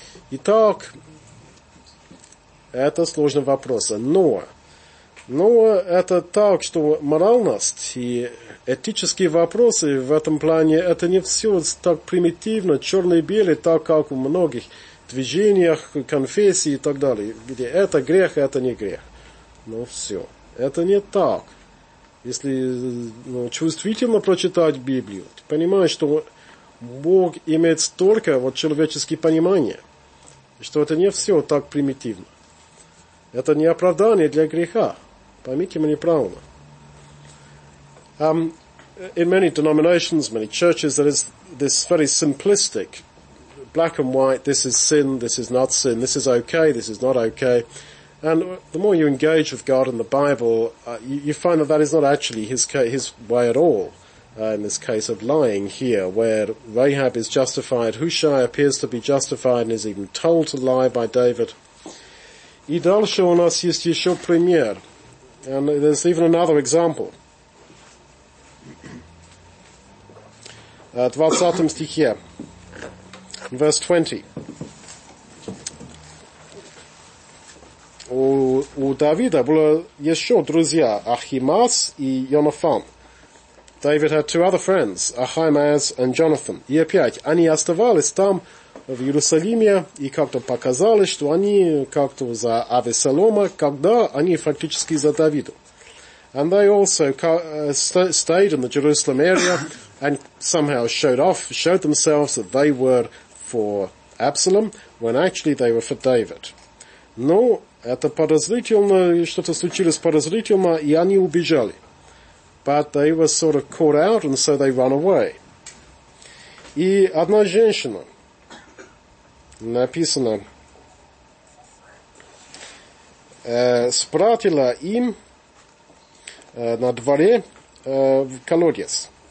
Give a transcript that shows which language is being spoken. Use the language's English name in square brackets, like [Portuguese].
[Russian] Итак, это сложный вопрос. Но это так, что моральность и этические вопросы в этом плане, это не все так примитивно, черно-белый, так как у многих движениях, конфессий и так далее, где это грех, это не грех. Но все. Это не так. Если ну, чувствительно прочитать Библию, ты понимаешь, что Бог имеет столько вот, человеческих понимания, что это не все так примитивно. Это не оправдание для греха. Поймите меня правильно. [English] In many denominations, many churches, there is this very simplistic black and white, this is sin, this is not sin, this is okay, this is not okay. And the more you engage with God and the Bible, you find that that is not actually his way at all. In this case of lying here, where Rahab is justified, Hushai appears to be justified and is even told to lie by David. [Russian] И дальше у нас есть еще пример. [English] And there's even another example. [Russian] 20 стихе. [English] Verse 20. [Russian] У Давида было еще друзья Ахимас и Йонафан. [English] David had two other friends, Ahimaaz and Jonathan. [Russian] И опять, они оставались там, в Иерусалиме, и как-то показалось, что они как-то за Авессалома, когда они фактически за Давида. [English] And they also stayed in the Jerusalem area and somehow showed themselves that they were for Absalom, when actually they were for David. [Russian] Но это подозрительно, что-то случилось подозрительно, и они убежали. [English] But they were sort of caught out, and so they ran away. [Russian] И одна женщина, написано, спратила им на дворе в колодец.